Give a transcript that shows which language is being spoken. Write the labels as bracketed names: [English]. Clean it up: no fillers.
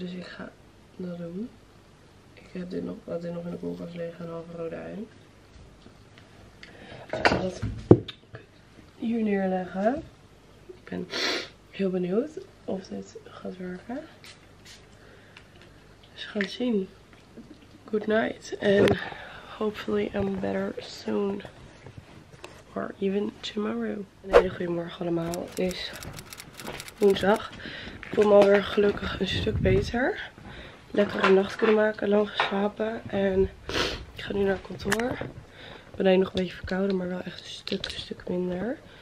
[Dutch] Dus ik ga dat doen. Ik heb dit nog in de koelkast liggen, een halve rode ui. Dus ik ga dat hier neerleggen. Ik ben heel benieuwd of dit gaat werken. Dus we gaan het zien. [English] Good night and hopefully I'm better soon. Or even tomorrow. [Dutch] Een hele goede morgen allemaal. Het is woensdag. Ik voel me alweer gelukkig een stuk beter. Lekker een nacht kunnen maken, lang geslapen. En ik ga nu naar kantoor. Ik ben alleen nog een beetje verkouden, maar wel echt een stuk minder.